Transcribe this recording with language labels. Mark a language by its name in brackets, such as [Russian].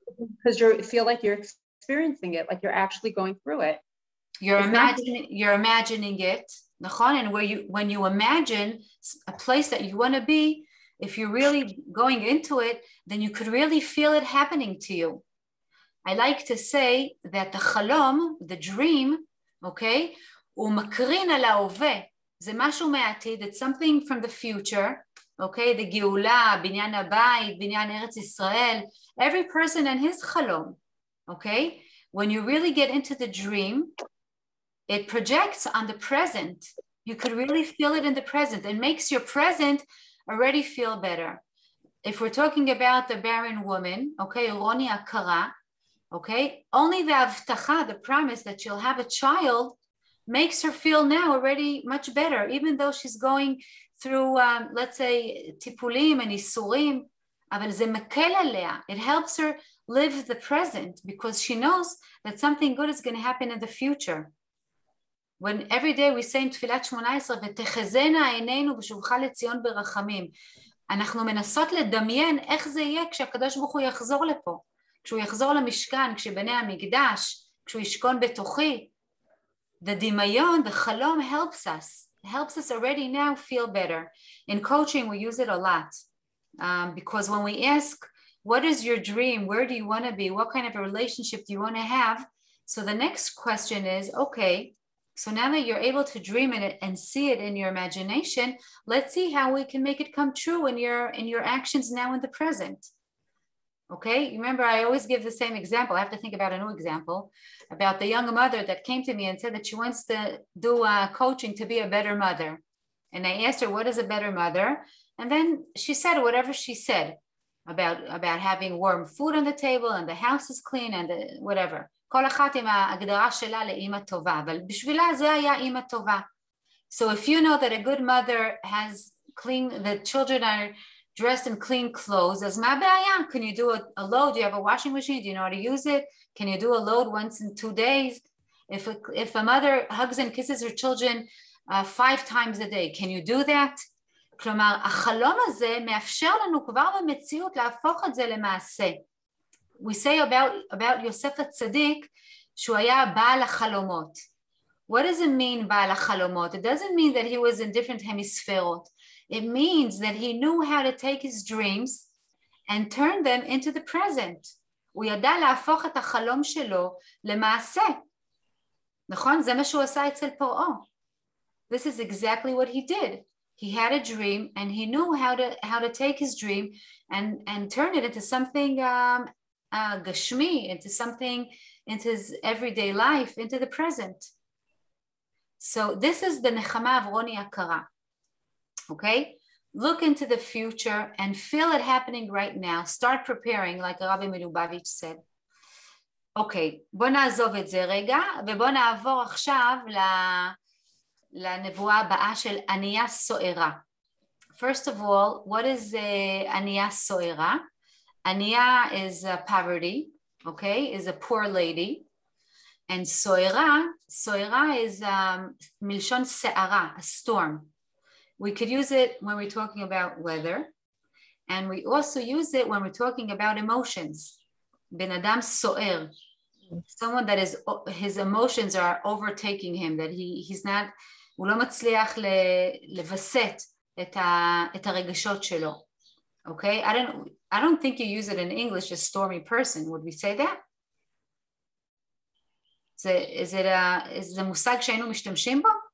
[English] Because you feel like you're experiencing it, like you're actually going through it. You're imagining it, נכון? And when you imagine a place that you want to be, if you're really going into it, then you could really feel it happening to you. I like to say that the חלום, the dream, okay, [Hebrew] הוא מקרין על ההווה. זה משהו מעתיד, [English] it's something from the future, okay, the גאולה, [Hebrew] בניין הבית, בניין ארץ ישראל, [English] every person and his חלום, okay? When you really get into the dream, it projects on the present. You could really feel it in the present. It makes your present already feel better. If we're talking about the barren woman, okay, Roni Akara, okay, only the avtacha, the promise that she'll have a child, makes her feel now already much better, even though she's going through, let's say, tipulim and isurim, [Hebrew] אבל זה מקל עליה. [English] It helps her live the present because she knows that something good is going to happen in the future. When every day we say in [Hebrew] תפילת 18, ותחזנה עינינו בשובך לציון ברחמים, אנחנו מנסות לדמיין איך זה יהיה כשהקדוש ברוך הוא יחזור לפה, כשהוא יחזור למשכן, כשבני המקדש, כשהוא ישכון בתוכי. [English] The דמיון, the חלום helps us. Helps us already now feel better. In coaching, we use it a lot. Because when we ask, what is your dream? Where do you want to be? What kind of a relationship do you want to have? So the next question is, okay, so now that you're able to dream it and see it in your imagination, let's see how we can make it come true in your actions now in the present. Okay, remember, I always give the same example. I have to think about a new example about the young mother that came to me and said that she wants to do coaching to be a better mother. And I asked her, what is a better mother? And then she said whatever she said about having warm food on the table and the house is clean and whatever. [Hebrew] כל אחת עם ההגדרה שלה לאמא טובה, אבל בשבילה זה היה אמא טובה. [English] So if you know that a good mother has clean, the children are dressed in clean clothes, [Hebrew] as ma ba'aya, [English] can you do a load? Do you have a washing machine? Do you know how to use it? Can you do a load once in 2 days? If a mother hugs and kisses her children 5 times a day, can you do that? [Hebrew] כלומר, החלום הזה מאפשר לנו כבר במציאות להפוך את זה למעשה. [English] We say about Yosef HaTzadik, [Hebrew] שהוא היה בעל החלומות. [English] What does it mean, בעל החלומות? It doesn't mean that he was in different hemispheres. It means that he knew how to take his dreams and turn them into the present. [Hebrew] הוא ידע להפוך את החלום שלו למעשה. נכון? זה מה שהוא עשה אצל פרעה. [English] This is exactly what he did. He had a dream and he knew how to take his dream and turn it into something gashmi, into something, into his everyday life, into the present. So this is the nechama of Roni Akara. Okay? Look into the future and feel it happening right now. Start preparing, like Rabbi Milubavitch said. [Hebrew] Okay, בוא נעזוב את זה רגע, ובוא נעבור עכשיו לנבואה הבאה של ענייה סוערה. [English] First of all, what is ענייה סוערה? ענייה is a poverty, okay, is a poor lady. And סוערה is מלשון סערה, a storm. We could use it when we're talking about weather, and we also use it when we're talking about emotions. [Hebrew] Ben adam soer, [English] someone that is, his emotions are overtaking him, that he's not, [Hebrew] הוא לא מצליח לבסט את הרגשות שלו. [English] Okay, I don't think you use it in English, a stormy person. Would we say that? Is it a [Hebrew] מושג שהיינו משתמשים בו?